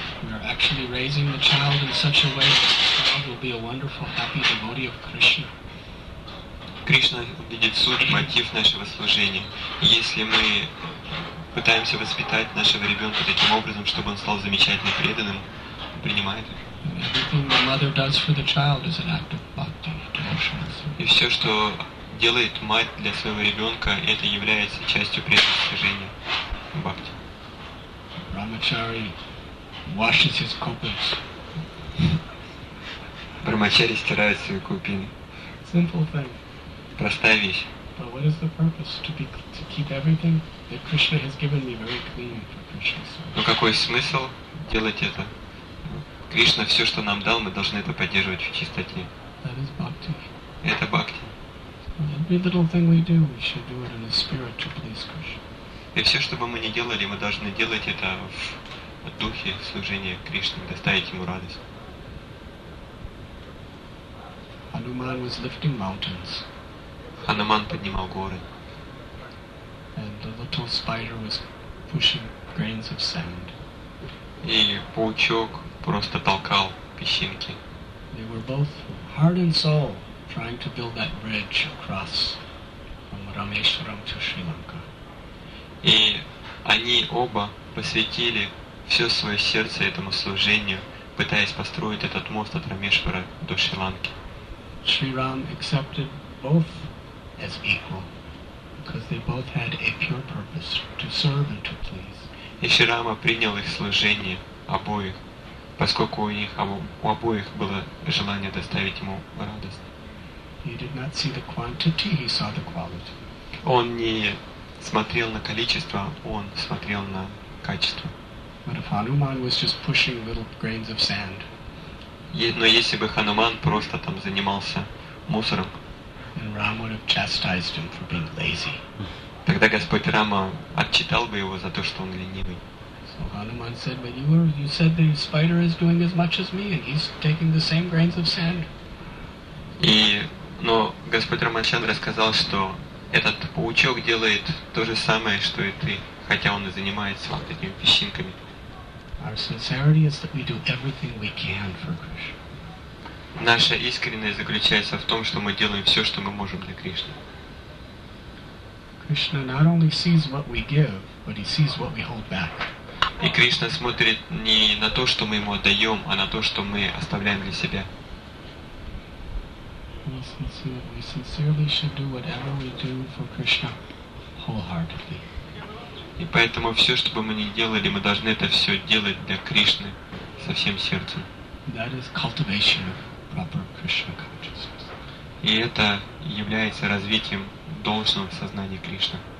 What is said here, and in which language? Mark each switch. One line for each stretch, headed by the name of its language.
English: We are actually raising the child in such a way that the child will be a wonderful, happy devotee of Krishna.
Russian: Кришна видит суть, мотив нашего служения. Если мы пытаемся воспитать нашего ребенка таким образом, чтобы он стал замечательным преданным, принимает их.
English: Everything the mother does for the child is an act of bhakti, devotion.
Russian: И все, что делает мать для своего ребенка, это является частью преданного служения бхакти.
English: Brahmachari washes his kupins.
Russian: Brahmachari стирает свои купины.
English: Simple thing.
Russian: Простая вещь.
English: But what is the purpose to keep everything that Krishna has given me very clean for Krishna's service?
Russian: Но какой смысл делать это? Кришна все, что нам дал, мы должны это поддерживать в чистоте.
English: That is bhakti.
Russian: Это бхакти.
English: Every little thing we do, we should do it in a spirit to please Krishna.
Russian: И все, что бы мы ни делали, мы должны делать это в духе служения Кришне, доставить ему радость.
English: Hanuman was lifting mountains.
Russian: Hanuman поднимал горы.
English: And the little spider was pushing grains of sand.
Russian: И паучок просто толкал песчинки.
English: They were both heart and soul trying to build that bridge across from Rameshwaram to Sri Lanka.
Russian: И они оба посвятили все свое сердце этому служению, пытаясь построить этот мост от Рамешвара до Шри-Ланки.
English: Шри Рам accepted both as equal, because they both had a pure purpose to serve and to please.
Russian: И Шри Рама принял их служение обоих, поскольку у них у обоих было желание доставить ему радость.
English: He did not see the quantity, he saw the quality.
Russian: Он не смотрел на количество, он смотрел на качество.
English: But if Hanuman was just pushing little grains of sand,
Russian: но если бы Хануман просто там занимался мусором,
English: then Ram would have chastised him for being lazy.
Russian: Тогда Господь Рама отчитал бы его за то, что он ленивый.
English: So Hanuman said, but you said the spider is doing as much as me, and he's taking the same grains of sand.
Russian: И, но Господь Рамачандра сказал, что этот паучок делает то же самое, что и ты, хотя он и занимается вот этими песчинками.
English: Our sincerity is that we do everything we can for Krishna.
Russian: Наша искренность заключается в том, что мы делаем все, что мы можем для Кришны.
English: Krishna not only sees what we give, but he sees what we hold back.
Russian: И Кришна смотрит не на то, что мы ему отдаем, а на то, что мы оставляем для себя.
English: We sincerely should do whatever we do for Krishna wholeheartedly.
Russian: И поэтому все, что бы мы ни делали, мы должны это все делать для Кришны со всем сердцем.
English: That is cultivation of proper Krishna consciousness.
Russian: И это является развитием должного сознания Кришны.